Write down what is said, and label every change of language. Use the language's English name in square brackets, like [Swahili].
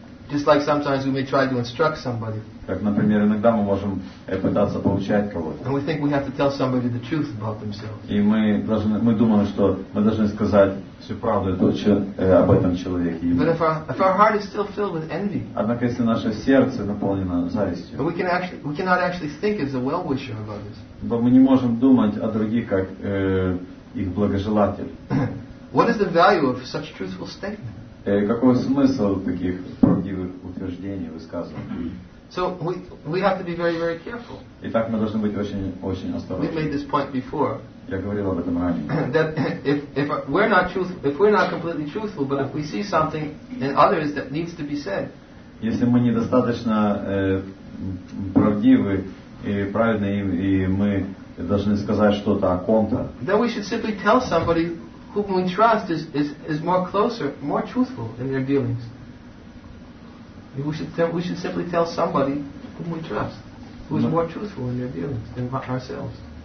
[English] Just like sometimes we may try to instruct somebody. [Russian] Как, например, иногда мы можем пытаться поучать кого-то. [English] And we think we have to tell somebody the truth about themselves. [Russian] И мы думаем, что мы должны сказать всю правду об этом человеке. [English] But if our heart is still filled with envy, [Russian] однако если наше сердце наполнено завистью, [English] we cannot actually think as a well-wisher about this. [Russian] То мы не можем думать о других как их благожелатель. [English] What is the value of such truthful statement? [Russian] Какой смысл таких правдивых утверждений, высказываний? [English] So we have to be very, very careful. [Russian] Итак, мы должны быть очень, очень осторожны. [English] We made this point before. [Russian] Я говорил об этом ранее. [English] That if we're not completely truthful, but if we see something in others that needs to be said. [Russian] Если мы недостаточно правдивы и праведны, и мы должны сказать что-то о ком-то. [English] Then we should simply tell somebody whom we trust is more closer, more truthful in their dealings. We should simply tell somebody whom we trust, who is more truthful in their dealings than ourselves.